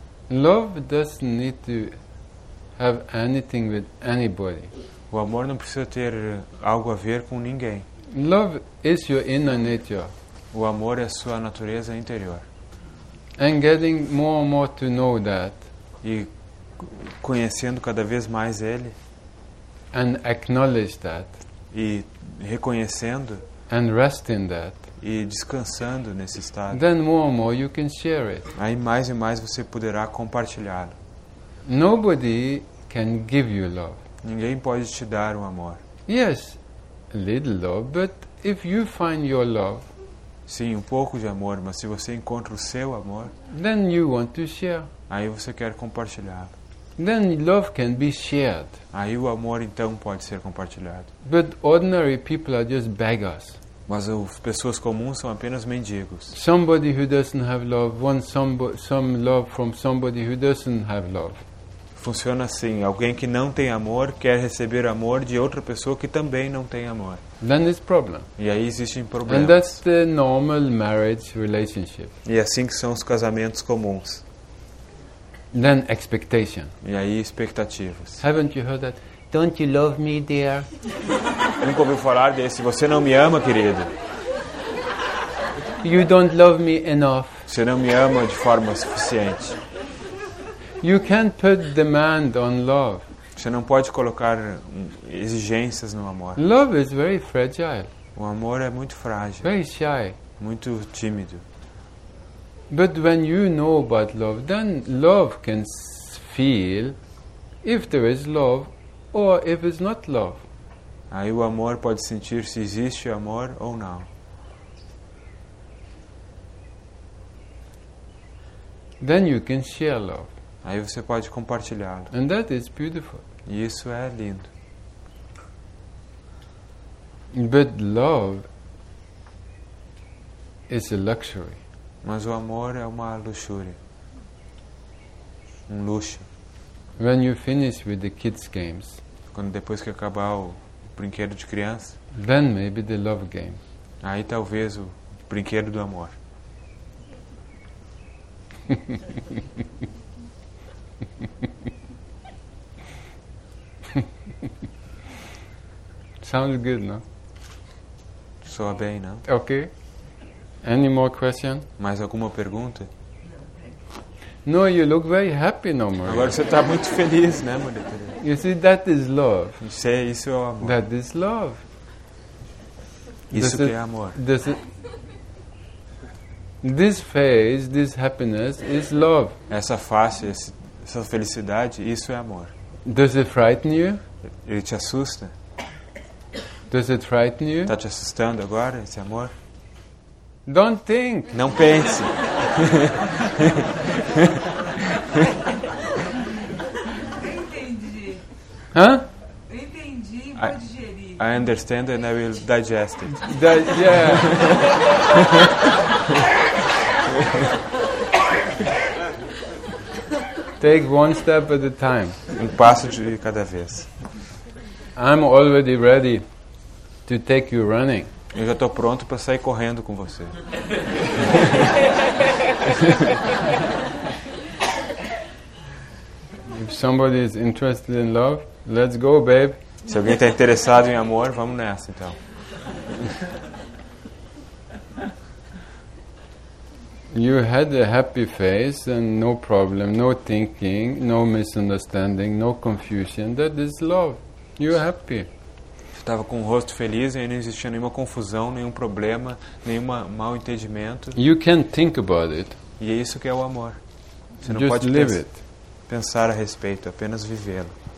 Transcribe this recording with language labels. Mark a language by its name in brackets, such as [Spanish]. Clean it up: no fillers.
[English] Love doesn't need to have anything with anybody. [Portuguese] O amor não precisa ter algo a ver com ninguém. [English] Love is your inner nature. [Portuguese] O amor é a sua natureza interior. [English] And getting more and more to know that. [Portuguese] E conhecendo cada vez mais ele. [English] And acknowledge that. [Portuguese] E reconhecendo. [English] And rest in that. [Portuguese] E descansando nesse estado. [English] Then more and more you can share it. [Portuguese] Aí mais e mais você poderá compartilhá-lo. [English] Nobody can give you love. [Portuguese] Ninguém pode te dar um amor. [English] Yes, a little love, but if you find your love. [Portuguese] Sim, um pouco de amor, mas se você encontra o seu amor, [English] then you want to share. [Portuguese] Aí você quer compartilhá-lo. [English] Then love can be shared. [Portuguese] Aí o amor então pode ser compartilhado. [English] But ordinary people are just beggars. [Portuguese] Mas as pessoas comuns são apenas mendigos. [English] Somebody who doesn't have love wants some love from somebody who doesn't have love. [Portuguese] Funciona assim: alguém que não tem amor quer receber amor de outra pessoa que também não tem amor. [English] Then it's problem. [Portuguese] E aí existem problemas. [English] And that's the normal marriage relationship. [Portuguese] E assim que são os casamentos comuns. [English] Then expectation. [Portuguese] E aí expectativas. [English] Haven't you heard that? Don't you love me, dear? [Portuguese] Nunca ouviu falar desse? Você não me ama, querido? [English] You don't love me enough. [Portuguese] Você não me ama de forma suficiente. [English] You can't put demand on love. [Portuguese] Você não pode colocar exigências no amor. [English] Love is very fragile. [Portuguese] O amor é muito frágil. [English] Very shy. [Portuguese] Muito tímido. [English] But when you know about love, then love can feel if there is love or if it's not love. [Portuguese] Aí o amor pode sentir se existe amor ou não. [English] Then you can share love. [Portuguese] Aí você pode compartilhá-lo. [English] And that is beautiful. [Portuguese] E isso é lindo. [English] But love is a luxury. [Portuguese] Mas o amor é uma luxúria. Um luxo. [English] When you finish with the kids games. [Portuguese] Quando depois que acabar o brinquedo de criança. [English] Then maybe the love game. [Portuguese] Aí talvez o brinquedo do amor. [English] Sounds good, no? [Portuguese] Soa bem, não? [English] Okay. Any more question? [Portuguese] Mais alguma pergunta? [English] No, you look very happy now, Maria. [Portuguese] Agora você está muito feliz, né, Maria? [English] You see, that is love. [Portuguese] Isso é, isso é o amor. [English] That is love. [Portuguese] Isso que é amor. [English] This face, this happiness is love. [Portuguese] Essa face, essa felicidade, isso é amor. [English] Does it frighten you? [Portuguese] Ele te assusta? [English] Does it frighten you? [Portuguese] Está te assustando agora, esse amor? [English] Don't think. [Portuguese] Não pense. Entendi. Hã? Entendi, pode gerir. [English] I understand and I will digest it. Yeah. Take one step at a time. [Portuguese] Um passo de cada vez. [English] I'm already ready to take you running. [Portuguese] Eu já estou pronto para sair correndo com você. [English] If somebody is interested in love, let's go, babe. [Portuguese] Se alguém está interessado em amor, vamos nessa, então. [English] You had a happy face and no problem, no thinking, no misunderstanding, no confusion. That is love. You're happy. [Portuguese] Estava com o rosto feliz e não existia nenhuma confusão, nenhum problema, nenhum mau entendimento. [English] You can think about it. [Portuguese] E é isso que é o amor. Você não [English] just [Portuguese] pode [English] live [Portuguese] pensar a respeito, apenas vivê-lo.